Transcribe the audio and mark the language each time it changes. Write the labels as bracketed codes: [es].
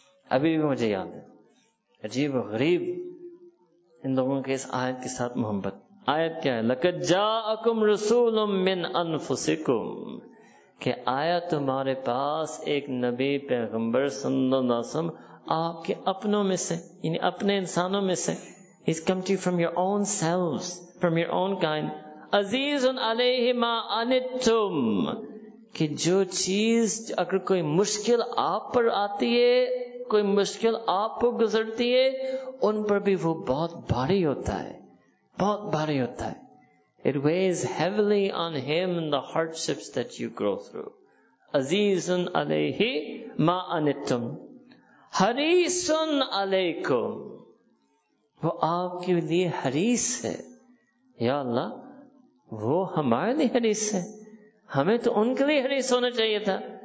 [ur] ابھی بھی مجھے یاد ہے, عجیب و غریب ان لوگوں کے اس آیت کے ساتھ محبت. آیت کیا ہے؟ [ar] لَقَدْ جَاءَكُمْ رَسُولٌ مِّنْ أَنفُسِكُمْ, [ur] کہ آیا تمہارے پاس ایک نبی پیغمبر صلی اللہ علیہ وسلم آپ کے اپنوں میں سے, یعنی اپنے انسانوں میں سے. [en] He's come to you from your own selves, from your own kind. [ar] عزیزٌ عَلَيْهِ مَا عَنِتُّمْ, [ur] کہ جو چیز اگر کوئی مشکل آپ پر آتی ہے, کوئی مشکل آپ کو گزرتی ہے, ان پر بھی وہ بہت بھاری ہوتا ہے, بہت بھاری ہوتا ہے. [en] It weighs heavily on him in the hardships that you go through. [ar] عزیزٌ عَلَيْهِ مَا عَنِتُّمْ حَرِيصٌ عَلَيْكُمْ, [ur] وہ آپ کے لیے حریص ہے. یا اللہ, وہ ہمارے لیے حریص ہے, ہمیں تو ان کے لیے حریص ہونا چاہیے تھا.